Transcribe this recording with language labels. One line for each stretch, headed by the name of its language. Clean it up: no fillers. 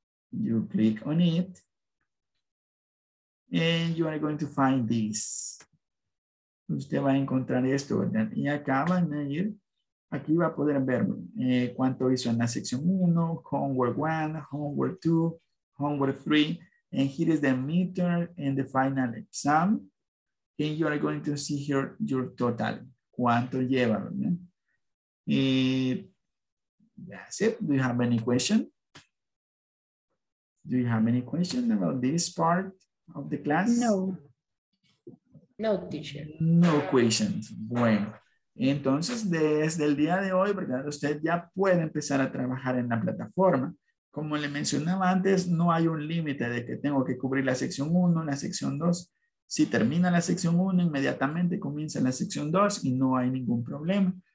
English: You click on it. And you are going to find this.
Spanish: Usted va a encontrar esto, ¿verdad? Y acá van a ir, aquí va a poder ver cuánto hizo en la sección 1, homework 1, homework 2, homework 3.
English: And here is the midterm and the final exam. And you are going to see here your total,
Spanish: cuánto lleva, ¿verdad?
English: Y that's it. Do you have any question? Do you have any question about this part of the class? No. No, teacher. No questions.
Spanish: Bueno, entonces desde el día de hoy, ¿verdad? Usted ya puede empezar a trabajar en la plataforma. Como le mencionaba antes, no hay un límite de que tengo que cubrir la sección 1, la sección 2. Si termina la sección 1, inmediatamente comienza la sección 2 y no hay ningún problema.